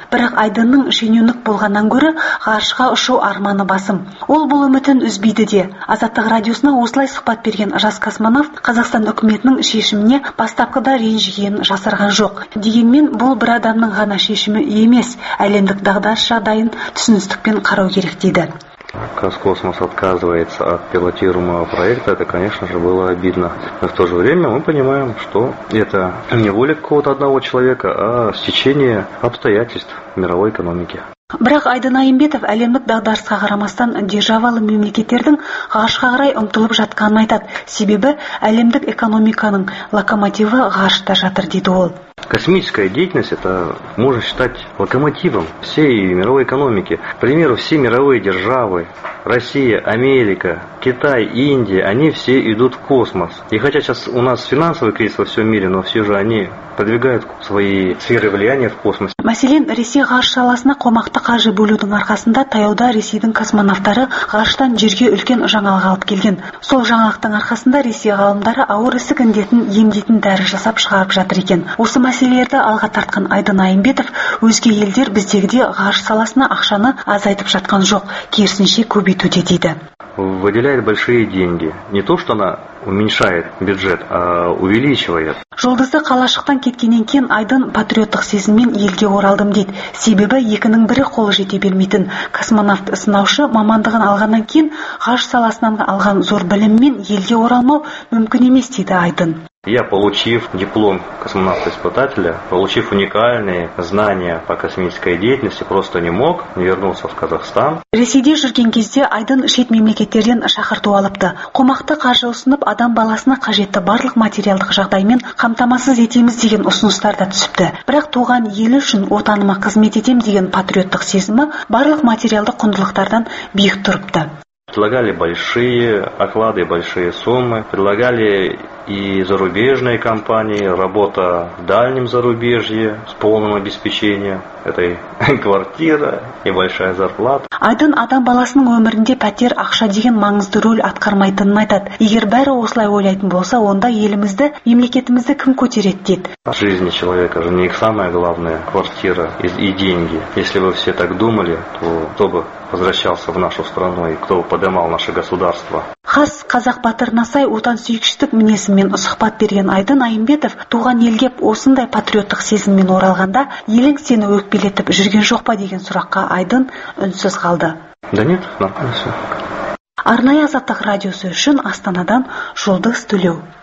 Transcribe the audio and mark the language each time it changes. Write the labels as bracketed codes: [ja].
[kk] Бірақ Айдынның шенеунік болғаннан гөрі ғарышқа ұшу арманы басым. Ол бұл үмітін үзбейді де. Азаттық радиосына осылай сұхбат берген жас космонавт Қазақстан үкіметінің шешіміне бастапқыда ренжігенін жасырған жоқ. Дегенмен бұл бір адамның ғана шешімі емес, әлемдік дағдарыс жағдайын түсіністікпен қарау керек дейді. [ru] Казкосмос отказывается от пилотируемого проекта, это, конечно же, было обидно. Но в то же время мы понимаем, что это не воля какого-то одного человека, а стечение обстоятельств мировой экономики. [kk] Бірақ Айдын Айымбетов әлемдік дағдарысқа қарамастан державалы мемлекеттердің ғарышқа қарай ұмтылып жатқанын айтады. Себебі әлемдік экономиканың локомотиві ғарышта жатыр дейді ол. [ru] Космическая деятельность – это можно считать локомотивом всей мировой экономики. К примеру, все мировые державы Россия, Америка, Китай, Индия, они все идут в космос. И хотя сейчас у нас финансовый кризис во всем мире, но все же они продвигают свои сферы влияния в космос. [kk] Мәселен, Ресей ғарыш саласына қомақты қаржы бөлудің арқасында таяуда Ресейдің космонавтары ғарыштан жерге үлкен жаңалық алып келген. Сол жаңалықтың арқасында Ресей ғалымдары ауыр ісік індетін емдейтін дәрі жасап шығарып жатыр екен. Осы мәселелерді алға тартқан Айдын Айымбетов, өзге елдер біздегіде ғарыш саласына ақшаны азайтып жатқан жоқ, керісінше көбейтуде дейді. [ru] Выделяет большие деньги. Не то, что она уменьшает бюджет, а увеличивает. [kk] Жолдызы қалашықтан кеткенен кен Айдын патриоттық сезіммен елге оралдым дейді. Себебі екінің бірі қол жете бермейтін. Космонавт сынаушы мамандығын алғаннан кен ғарыш саласынан алған зор біліммен елге оралмау мүмкін емес дейді Айдын. [ru] Я, получив диплом космонавта-испытателя, получив уникальные знания по космической деятельности, просто не мог вернуться в Казахстан. [kk] Ресейде жүрген кезде Айдын шет мемлекеттерден шақырту алыпты. Қомақты қаржы ұсынып, адам баласына қажетті барлық материалдық жағдаймен қамтамасыз етеміз деген ұсыныстар да түсіпті. Бірақ туған елі үшін отаныма қызмет етем деген патриоттық сезімі барлық материалдық құндылықтардан биік тұрыпты. [ru] Предлагали большие оклады, большие суммы, предлагали и зарубежные компании, работа в дальнем зарубежье с полным обеспечением этой квартиры и большая зарплата. [kk] Айдын адам баласының өмірінде пәтер ақша деген маңызды рөл атқармайтынын айтады. Егер бәрі осылай ойлайтын болса, онда елімізді, мемлекетімізді кім көтереді дейді. [ru] В жизни человека же не самое главное квартира и деньги. Если бы все так думали, то кто бы возвращался в нашу страну и кто бы поднимал наше государство. [kk] Хас қазақ батырына сай отан сүйікшілік мінезімен сұхбат берген Айдын Айымбетов туған елге осындай патриоттық сезіммен оралғанда елің сені өкпелетіп жүрген жоқ па деген сұраққа Айдын үнсіз қалды. [ru] Да нет, нормально все. [kk] Арнайы Азаттық радиосы үшін Астанадан Жұлдыз Төлеу.